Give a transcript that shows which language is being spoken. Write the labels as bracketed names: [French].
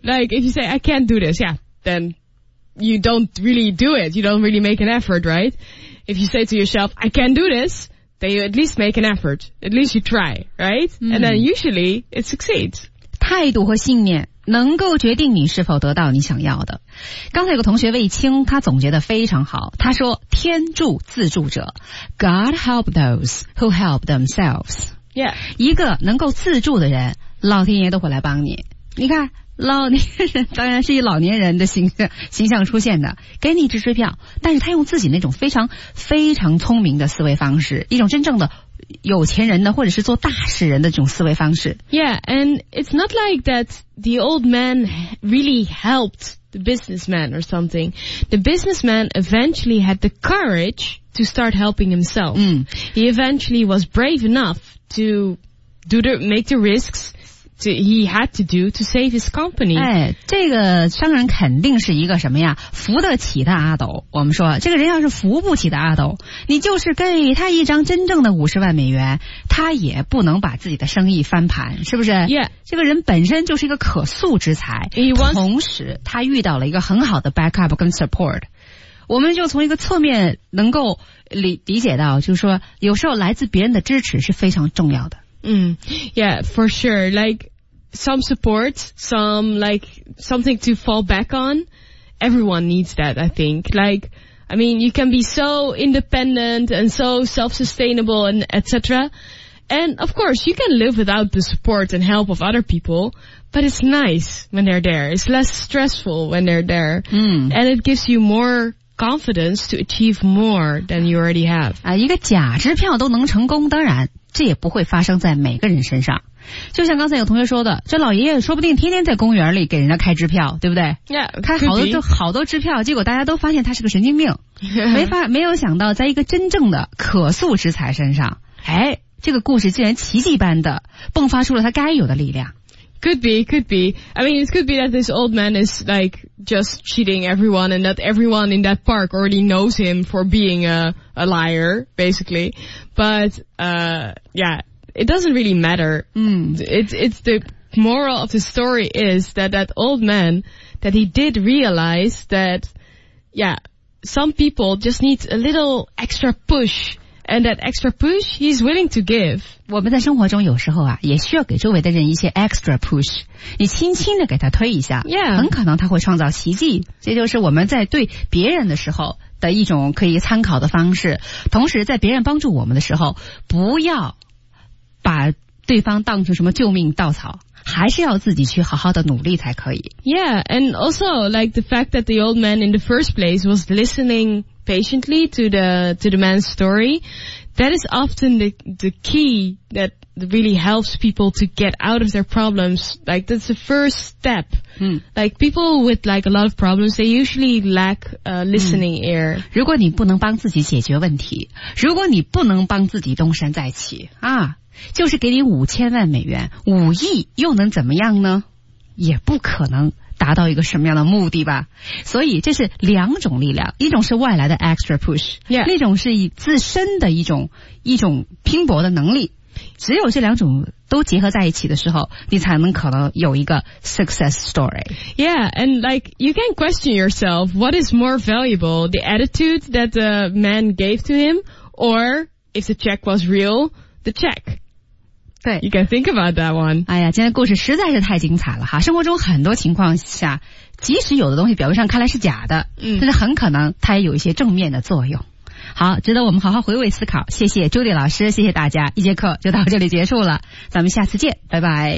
[English] Like, if you say, I can't do this, yeah, then you don't really do it. You don't really make an effort, right? If you say to yourself, I can't do this, then you at least make an effort. At least you try, right?、 Mm. And then usually, it succeeds. [Chinese] 态度和信念能够决定你是否得到你想要的。刚才有个同学魏青，他总结得非常好。他说，天助自助者。 [English] God help those who help themselves. Yeah. [Chinese] 一个能够自助的人，老天爷都会来帮你。你看老年人当然是以老年人的形象出现的，给你支持票，但是他用自己那种非常非常聪明的思维方式，一种真正的有钱人的或者是做大事人的这种思维方式。 [English] Yeah, and it's not like that the old man really helped the businessman or something. The businessman eventually had the courage to start helping himself. He eventually was brave enough to make the risks. He had to do to save his company. [Chinese] 哎，这个商人肯定是一个什么呀？扶得起的阿斗。我们说，这个人要是扶不起的阿斗，你就是给他一张真正的$500,000，他也不能把自己的生意翻盘，是不是？Yeah. 这个人本身就是一个可塑之才。同时，他遇到了一个很好的 backup 跟 support。我们就从一个侧面能够理解到，就是说，有时候来自别人的支持是非常重要的。 [English] Yeah, for sure. Like, some support, some, like, something to fall back on. Everyone needs that, I think. Like, I mean, you can be so independent and so self-sustainable and etc. And, of course, you can live without the support and help of other people, but it's nice when they're there. It's less stressful when they're there. And it gives you more... confidence to achieve more than you already have. [Chinese] 一个假支票都能成功，当然这也不会发生在每个人身上。就像刚才有同学说的，这老爷爷说不定天天在公园里给人家开支票，对不对？ Yeah, 开好多就好多支票，结果大家都发现他是个神经病。没有想到在一个真正的可塑之才身上，哎，这个故事竟然奇迹般的迸发出了他该有的力量。 [English] Could be. I mean, it could be that this old man is, like, just cheating everyone and that everyone in that park already knows him for being a liar, basically. But, yeah, it doesn't really matter. It's the moral of the story is that old man, that he did realize that, yeah, some people just need a little extra push. And that extra push, he's willing to give. [Chinese] 我们在生活中有时候啊，也需要给周围的人一些 extra push. 你轻轻的给他推一下， yeah. 很可能他会创造奇迹。这就是我们在对别人的时候的一种可以参考的方式。同时，在别人帮助我们的时候，不要把对方当成什么救命稻草，还是要自己去好好的努力才可以。 [English] Yeah, and also like the fact that the old man in the first place was listening. patiently to the man's story, that is often the key that really helps people to get out of their problems. Like, that's the first step. Hmm. Like, people with like a lot of problems, they usually lack listening ear. [Chinese] 如果你不能帮自己解决问题，如果你不能帮自己东山再起啊，就是给你五千万美元，五亿又能怎么样呢？也不可能达到一个什么样的目的吧。所以这是两种力量，一种是外来的 extra push，那、种是以自身的一种拼搏的能力。只有这两种都结合在一起的时候，你才能可能有一个 success story。 [English] Yeah, and like you can question yourself, what is more valuable, the attitude that the man gave to him, or if the check was real, the check。 [Chinese] 对， [English] you can think about that one。 [Chinese] 哎呀，今天故事实在是太精彩了哈！生活中很多情况下，即使有的东西表面上看来是假的，但是很可能它也有一些正面的作用。好，值得我们好好回味思考。谢谢 Judy 老师，谢谢大家，一节课就到这里结束了，咱们下次见，拜拜。